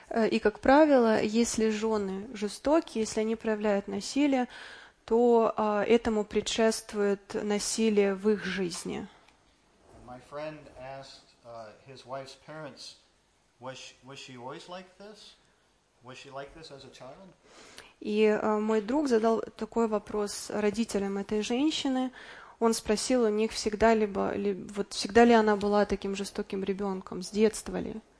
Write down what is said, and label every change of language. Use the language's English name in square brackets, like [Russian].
[Russian] И, как правило, если жены жестокие, если они проявляют насилие, то этому предшествует насилие в их жизни. [English] My friend asked his wife's parents, was she always like this? Was she like this as a child? [Russian] И мой друг задал такой вопрос родителям этой женщины. Он спросил у них, всегда ли она была таким жестоким ребенком, с детства ли.